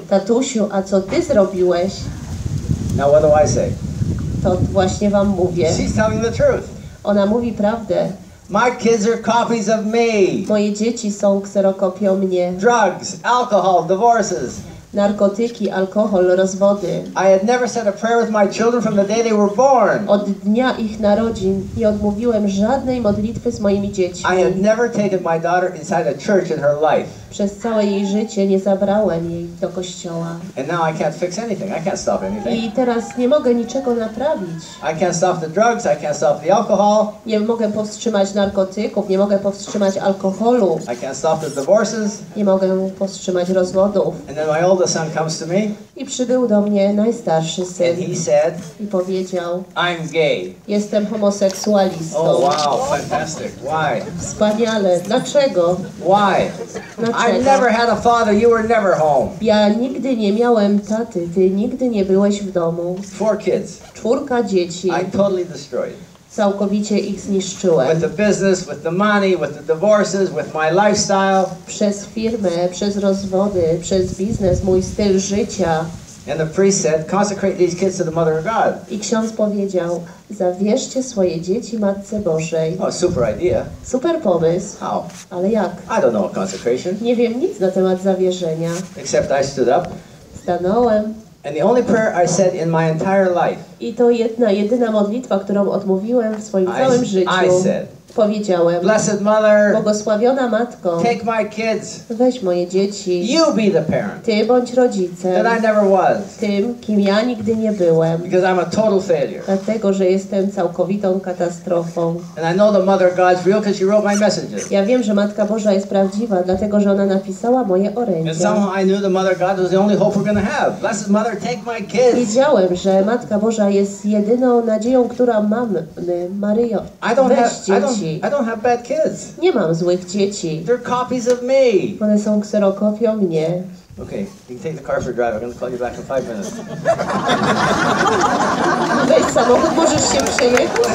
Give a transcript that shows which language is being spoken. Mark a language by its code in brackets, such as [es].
[pl] Tatusiu, a co ty zrobiłeś? [en] Now what do I say? [pl] To właśnie wam mówię. [en] She's telling the truth. [pl] Ona mówi prawdę. [en] My kids are copies of me. [pl] Moje dzieci są kserokopią mnie. [en] Drugs, alcohol, divorces. [pl] Narkotyki, alkohol, rozwody. [en] I had never said a prayer with my children from the day they were born. [pl] Od dnia ich narodzin nie odmówiłem żadnej modlitwy z moimi dziećmi. [en] I had never taken my daughter inside a church in her life. [pl] przez całe jej życie nie zabrałem jej do kościoła. [en] And now I can't fix anything. I can't stop anything. [pl] I teraz nie mogę niczego naprawić. [en] I can't stop the drugs, I can't stop the alcohol. [pl] Nie mogę powstrzymać narkotyków, nie mogę powstrzymać alkoholu. [en] I can't stop the divorces. [pl] Nie mogę powstrzymać rozwodów. [en] And then my oldest son comes to me. [pl] I przybył do mnie najstarszy syn. [en] And he said, [pl] i powiedział, [en] I'm gay. [pl] Jestem homoseksualistą. [en] Oh wow, fantastic. Why? [pl] Wspaniale. Dlaczego? [en] Why? [pl] Dlaczego? [en] I never had a father, you were never home. [pl] Ja nigdy nie miałem taty, ty nigdy nie byłeś w domu. [en] Four kids. [pl] Czwórka dzieci. [en] I totally destroyed. [pl] Całkowicie ich zniszczyłem. [en] With the business, with the money, with the divorces, with my lifestyle. [pl] Przez firmę, przez rozwody, przez biznes, mój styl życia. [en] And the priest said, consecrate these kids to the Mother of God. [pl] I ksiądz powiedział, zawierzcie swoje dzieci Matce Bożej. [en] Oh, super idea. [pl] Super pomysł. [en] How? [pl] Ale jak? [en] I don't know about consecration. [pl] Nie wiem nic na temat zawierzenia. [en] Except I stood up. [pl] Stanąłem. [en] And the only prayer I said in my entire life. [pl] I to jedyna modlitwa, którą odmówiłem w swoim całym życiu. [en] I said. [pl] Powiedziałem, [en] Blessed Mother, [pl] błogosławiona matko, [en] take my kids. [pl] Weź moje dzieci. [en] You be the parent. [pl] Ty bądź rodzicem. [en] That I never was. [pl] Tym, kim ja nigdy nie byłem. [en] Because I'm a total failure. [pl] Dlatego, że jestem całkowitą katastrofą. [en] And I know the Mother God's real because she wrote my messages. [pl] Ja wiem, że Matka Boża jest prawdziwa, dlatego, że ona napisała moje orędzie. [en] And somehow I knew the Mother God was the only hope we're gonna have. Blessed Mother, take my kids. [pl] Wiedziałem, że Matka Boża jest jedyną nadzieją, którą mamy, Maryjo. [en] I don't have bad kids. [pl] Nie mam złych dzieci. [en] They're copies of me. [pl] One są kserokopią mnie. [en] Okay, you can take the car for a drive. I'm going to call you back in 5 minutes. [pl] Weź samochód, możesz się przejechać.